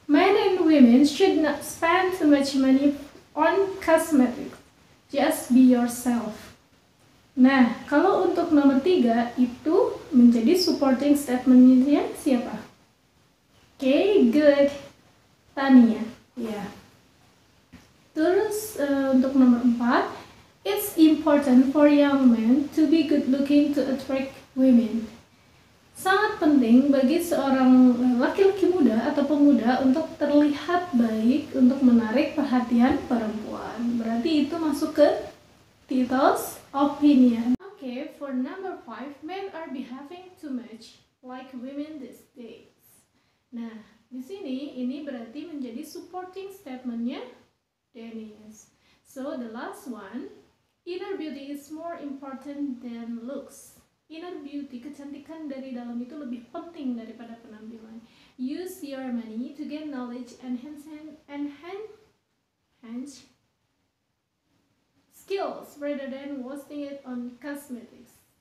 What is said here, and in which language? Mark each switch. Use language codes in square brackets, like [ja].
[en] Men and women should not spend too much money on cosmetics. Just be yourself. [id] Nah, kalau untuk nomor tiga, itu menjadi supporting statement-nya siapa? [en] Okay, good. Tania. Yeah. [id] Terus, untuk nomor empat, [en] it's important for young men to be good-looking to attract women. [id] Sangat penting bagi seorang laki-laki muda atau pemuda untuk terlihat baik untuk menarik perhatian perempuan. Berarti itu masuk ke titles opinion. [en] Okay, for number five, men are behaving too much like women these days. [id] Nah, di sini ini berarti menjadi supporting statement-nya Dennis. [en] So, the last one, inner beauty is more important than looks. Inner beauty, [id] kecantikan dari dalam itu lebih penting daripada penampilan. [en] Use your money to gain knowledge and enhance skills rather than wasting it on cosmetics.